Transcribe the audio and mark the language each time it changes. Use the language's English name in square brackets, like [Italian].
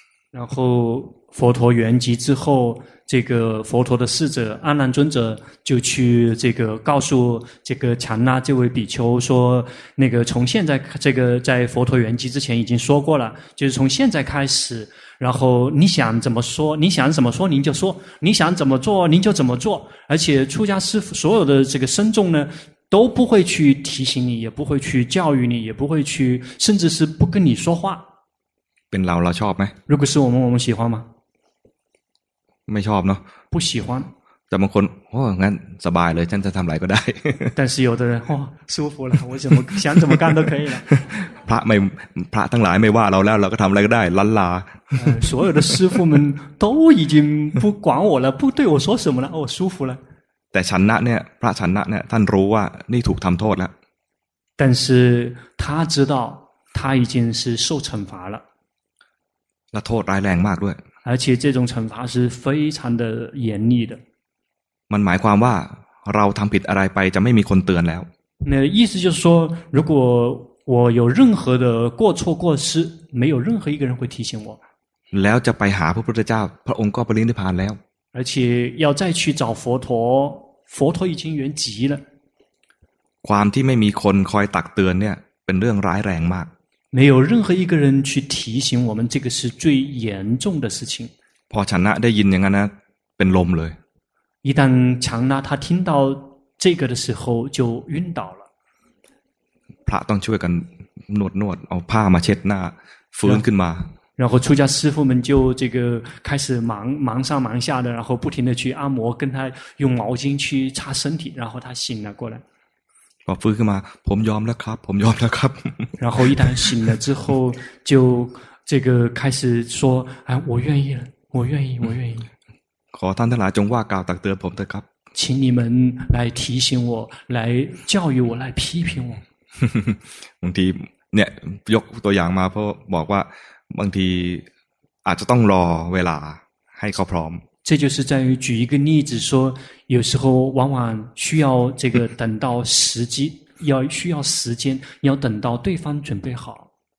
[Chinese] 然后佛陀圆寂之后，这个佛陀的侍者阿难尊者就去这个告诉这个禅那这位比丘说，那个从现在这个在佛陀圆寂之前已经说过了，就是从现在开始，然后你想怎么说，你想怎么说您就说，你想怎么做您就怎么做，而且出家师父所有的这个僧众呢，都不会去提醒你，也不会去教育你，也不会去，甚至是不跟你说话。 [Thai] เป็นเราชอบไหม [Chinese] 如果是我们我们喜欢吗 [Thai] ไม่ชอบเนาะ [Chinese] 不喜欢 [Thai] แต่บางคนโอ้งั้นสบายเลยฉันจะทำอะไรก็ได้ [Chinese] 但是有的人哇舒服了我怎么想怎么干都可以了 [Thai] พระไม่พระทั้งหลายไม่ว่าเราแล้วเราก็ทำอะไรก็ได้ลันลา [Chinese] 所有的师父们都已经不管我了不对我说什么了我舒服了 [Thai] แต่ฉันนะเนี่ยพระฉันนะเนี่ยท่านรู้ว่านี่ถูกทำโทษแล้ว [Chinese] 但是他知道他已经是受惩罚了 [Thai] และโทษร้ายแรงมากด้วย [Chinese] 而且这种惩罚是非常的严厉的 [Thai] มันหมายความว่าเราทำผิดอะไรไปจะไม่มีคนเตือนแล้ว [Chinese] 那意思就是说如果我有任何的过错过失没有任何一个人会提醒我 [Thai] แล้วจะไปหาพระพุทธเจ้าพระองค์ก็ปรินิพพานแล้ว [Chinese] 而且要再去找佛陀佛陀已经圆寂了 [Thai] ความที่ไม่มีคนคอยตักเตือนเนี่ยเป็นเรื่องร้ายแรงมาก ไม่ [Chinese] 有任何一个人去提醒我们这个是最严重的事情 [Thai] พอฉันนะได้ยินอย่างนั้นนะเป็นลมเลย [Chinese] 一旦ฉันนะ他听到这个的时候就晕倒了 [Thai] พระต้องช่วยกันนวดเอาผ้ามาเช็ดหน้าฟื้นขึ้นมา [Chinese] 然后出家师父们就这个开始忙上忙下的然后不停的去按摩跟他用毛巾去擦身体然后他醒了过来 [Thai] พอฟื้นขึ้นมาผมยอมแล้วครับผมยอมแล้วครับ [Chinese] 然后一旦醒了之后就这个开始说哎我愿意了我愿意我愿意 [Thai] ขอท่านทั้งหลายจงว่ากล่าวตักเตือนผมเถอะครับ [Chinese] 请你们来提醒我来教育我来批评我 [Thai] บางทีเนี่ยยกตัวอย่างมาเพราะบอกว่าบางทีอาจจะต้องรอเวลาให้เขาพร้อม [Chinese] 这就是在于举一个例子说有时候往往需要这个等到时机要需要时间要等到对方准备好